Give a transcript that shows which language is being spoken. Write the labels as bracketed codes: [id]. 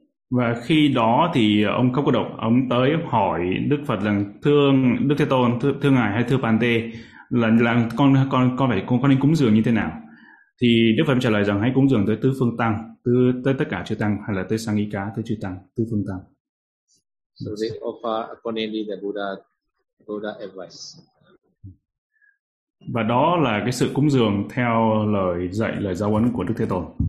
[vi] Và khi đó thì ông Cốc Cô Độc ông tới hỏi Đức Phật rằng: "Thưa Đức Thế Tôn, thưa ngài hay thưa Bàn Tê, là con nên cúng dường như thế nào?" Thì Đức Phật trả lời rằng: "Hãy cúng dường tới tứ phương tăng, tới tất cả chư tăng, hay là tới Sangika, tới chư tăng, tứ phương tăng." [en] So they offer accordingly the Buddha advice. [vi] Và đó là cái sự cúng dường theo lời dạy, lời giáo huấn của Đức Thế Tôn.